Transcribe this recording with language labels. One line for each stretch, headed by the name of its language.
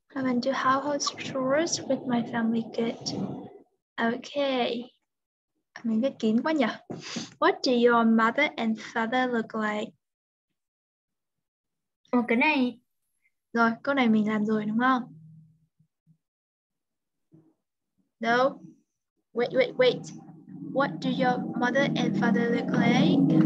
English: I'm going to do household chores with my family. Good. Okay.
Vietnamese: Mình viết kín quá nhỉ.
English: What do your mother and father look like?
Vietnamese: Ồ, cái này. Rồi, câu này mình làm rồi đúng không?
English: No. Wait. What do your mother and father look like?